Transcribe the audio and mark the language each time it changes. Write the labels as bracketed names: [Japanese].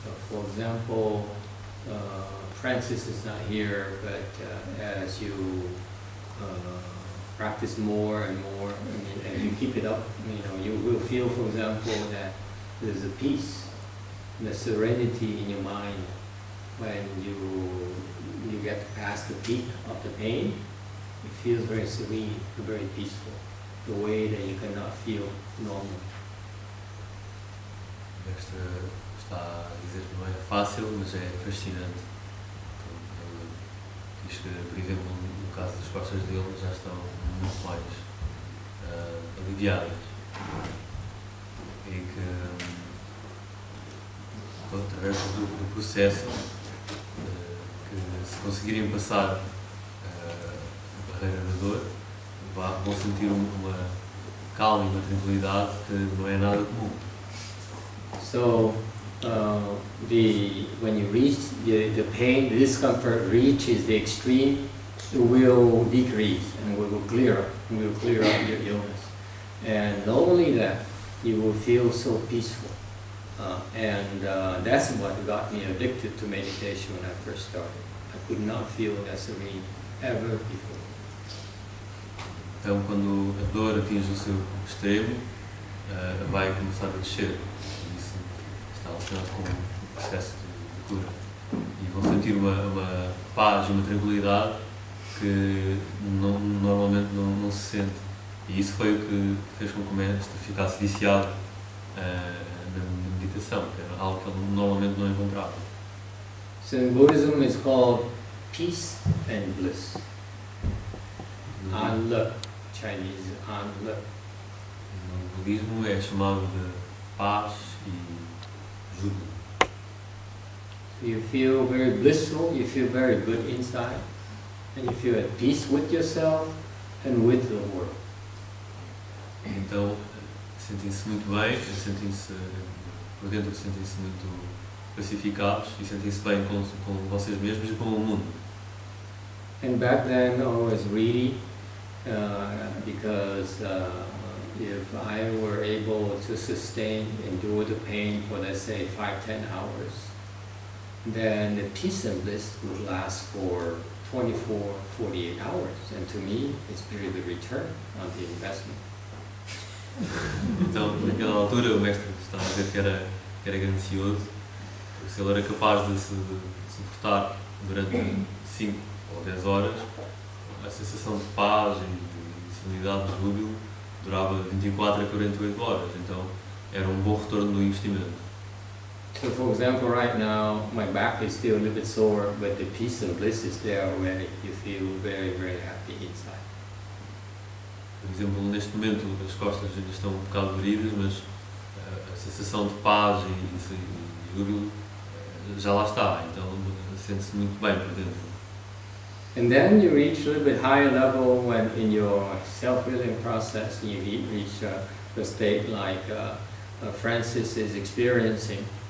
[English] For example, Francis is not here, but as you practice more and more, and you keep it up, you know, you will feel, for example, that there's a peace and a serenity in your mind when you get past the peak of the pain. It feels very serene, very peaceful, the way that you cannot feel normal. [Portuguese] Dexter está a dizer que não é fácil, mas é fascinante. Diz que, por exemplo, no caso das costas dele, já estão muito mais aliviadas. E que, através do processo, que se conseguirem passar a barreira da dor, vão sentir uma calma e uma tranquilidade que não é nada comum. [English] So, the when you reach the pain, the discomfort reaches the extreme, it will decrease and we will clear up. We will clear up your illness. And not only that, you will feel so peaceful. That's what got me addicted to meditation when I first started. I could not feel that serene ever before. [Portuguese] Então, quando a dor atinge o seu extremo, vai começar a descer. Com um processo de cura. E vão sentir uma paz, uma tranquilidade que não, normalmente não se sente. E isso foi o que fez com que o ficasse viciado na meditação, que era algo que ele normalmente não encontrava. [English] So in Buddhism it's called peace and bliss. Anle, Chinese Anle. [Portuguese] No budismo é chamado de paz e. [English] You feel very blissful, you feel very good inside, and you feel at peace with yourself and with the world. [Portuguese] Então, sentem-se muito bem, sentem-se, por dentro, sentem-se muito pacificados e sentem-se bem com vocês mesmos e com o mundo. [English] And back then I was really, because if I were able to sustain, endure the pain for, let's say, 5-10 hours, then the peace and bliss would last for 24-48 hours. And to me, it's really the return on the investment. [Portuguese] Então, naquela altura, o mestre estava a dizer que era ganancioso, porque se ele era capaz de se suportar durante 5 ou 10 horas, a sensação de paz e de serenidade, de júbilo, durava 24 a 48 horas, então era um bom retorno do investimento. [English] So for example, right now my back is still a little bit sore, but the peace and bliss is there already. You feel very, very happy inside. [Portuguese] Por exemplo, neste momento as costas ainda estão um bocado doloridas, mas a sensação de paz e júbilo já lá está, então sente-se muito bem por dentro. [English] And then you reach a little bit higher level when in your self-healing process you reach a state like Francis is experiencing.